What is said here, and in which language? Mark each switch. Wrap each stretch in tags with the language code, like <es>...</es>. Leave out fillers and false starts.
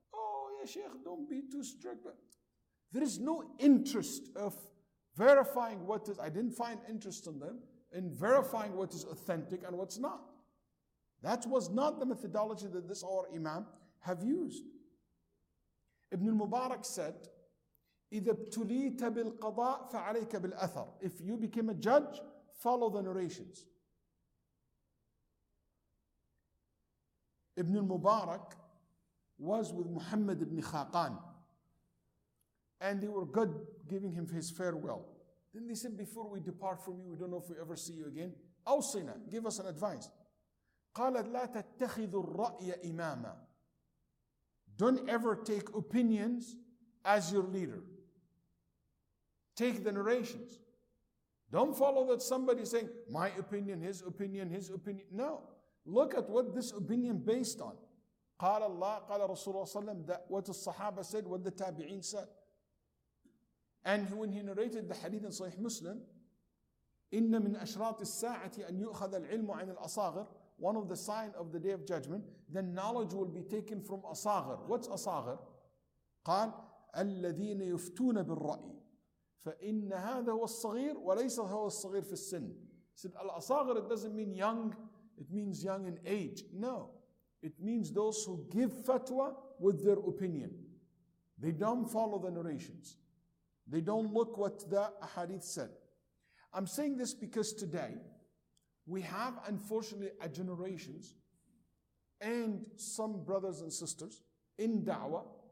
<en>Oh, yeah, Sheikh, don't be too strict. But there is no interest of verifying what is, I didn't find interest in them, in verifying what is authentic and what's not. That was not the methodology that this our Imam have used. Ibn al-Mubarak said,</en> <ar>إِذَا ابْتُلِيتَ بِالْقَضَاءِ فَعَلَيْكَ بِالْأَثَرِ.</ar> <en>If you became a judge, follow the narrations. Ibn al-Mubarak was with Muhammad ibn Khaqan. And they were good, giving him his farewell. Then they said, before we depart from you, we don't know if we ever see you again.</en> <ar>أوصينا,</ar> <en>give us an advice.</en> <ar>قَالَ لَا تَتَّخِذُ الرَّأْيَ إِمَامًا.</ar> <en>Don't ever take opinions as your leader. Take the narrations. Don't follow that somebody saying, my opinion, his opinion, his opinion. No. Look at what this opinion based on.</en> <ar>قال الله قال رسول الله صلى الله عليه وسلم</ar> <en>what the Sahaba said, what the Tabi'een said. And when he narrated the hadith in Sahih Muslim,</en> <ar>إن من أشراط الساعة أن يؤخذ العلم عن الأصاغر.</ar> <en>One of the signs of the Day of Judgment, then knowledge will be taken from أصاغر. What's أصاغر?</en> <ar>قال الذين يفتون بالرأي فإن هذا هو الصغير وليس هو الصغير في السن.</ar> <en>Said الأصاغر, it doesn't mean young, it means young in age. No, it means those who give fatwa with their opinion. They don't follow the narrations. They don't look what the hadith said. I'm saying this because today we have, unfortunately, a generation and some brothers and sisters in da'wah.</en>